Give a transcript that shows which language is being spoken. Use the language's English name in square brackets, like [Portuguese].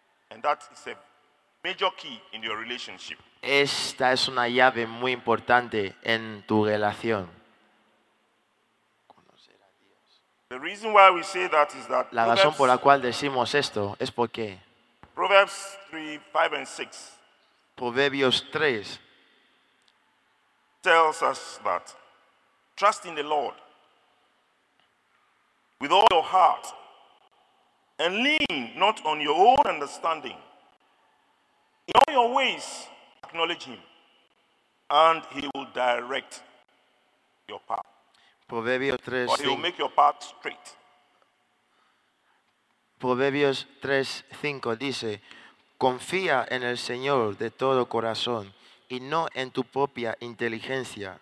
[English] And that is a major key in your relationship. [Spanish] Esta es una llave muy importante en tu relación. [English] The reason why we say that is that [Spanish] la razón por la cual decimos esto es porque [English] Proverbs 3, 5 and 6 [Spanish] Proverbios 3 [English] tells us that trust in the Lord with all your heart and lean not on your own understanding. In all your ways acknowledge him and he will direct your path. [Spanish] Proverbios 3, [English] or he'll make your path straight. [Spanish] Proverbios 3, 5 dice, confía en el Señor de todo corazón y no en tu propia inteligencia.